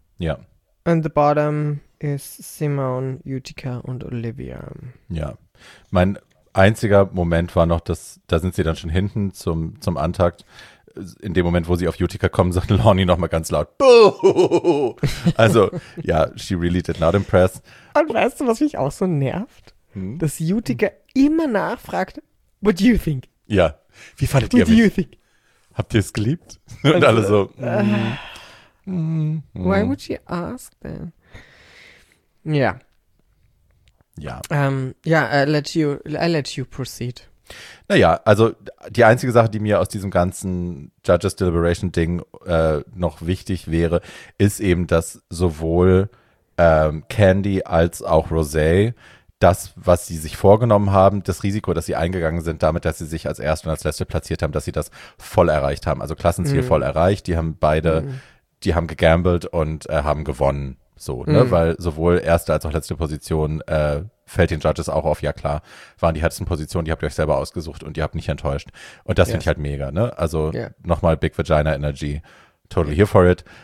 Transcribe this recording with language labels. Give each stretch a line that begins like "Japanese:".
German: Ja.
English: And the bottom is Simone, Utica und Olivia.
German: Ja, mein einziger Moment war noch, dass da sind sie dann schon hinten zum Antakt. In dem Moment, wo sie auf Utica kommen, sagt Lonnie nochmal ganz laut, Boo! Also, ja,
English: she really did not impress.
German: Und weißt du, was mich auch so nervt? Hm? Dass Utica immer nachfragt,
English: what do you think?
German: Ja, wie fandet
English: what
German: ihr mich?
English: What do you think?
German: Habt ihr es geliebt? Und also, alle so,
English: Why would she ask then? Ja.
German: Ja.
English: Ja, I let you proceed.
German: Naja, also die einzige Sache, die mir aus diesem ganzen Judges Deliberation Ding noch wichtig wäre, ist eben, dass sowohl Candy als auch Rosé das, was sie sich vorgenommen haben, das Risiko, dass sie eingegangen sind, damit, dass sie sich als Erste und als Letzte platziert haben, dass sie das voll erreicht haben, also Klassenziel voll erreicht, die haben beide, die haben gegambelt und haben gewonnen, so, ne, weil sowohl Erste als auch Letzte Position, fällt den Judges auch auf, ja klar, waren die härtesten Positionen, die habt ihr euch selber ausgesucht und ihr habt nicht enttäuscht. Und das finde ich halt mega, ne? Also nochmal Big Vagina Energy,
English: totally here for it.